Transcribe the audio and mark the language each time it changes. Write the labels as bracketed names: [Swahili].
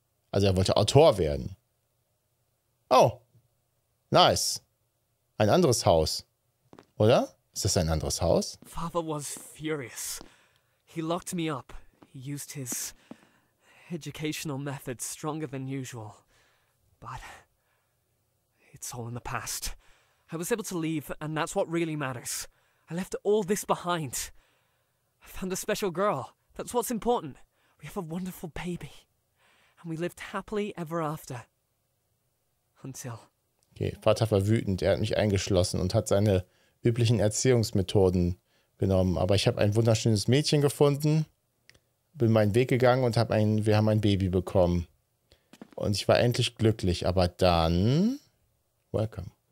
[German] Also er wollte Autor werden. [English] Oh, nice. [German] Ein anderes Haus, oder? Ist das ein anderes Haus? [English] Father was furious. He locked me up. He used his educational methods stronger than usual. But it's all in the past. I was able to leave, and that's what really matters. I left all this behind. I found a special girl. That's what's important. We have a wonderful baby. And we lived happily ever after. Until. [German] Okay, Vater war wütend. Er hat mich eingeschlossen und hat seine üblichen Erziehungsmethoden genommen. Aber ich habe ein wunderschönes Mädchen gefunden, bin meinen Weg gegangen und wir haben ein Baby bekommen. Und ich war endlich glücklich. Aber dann. [English] Welcome.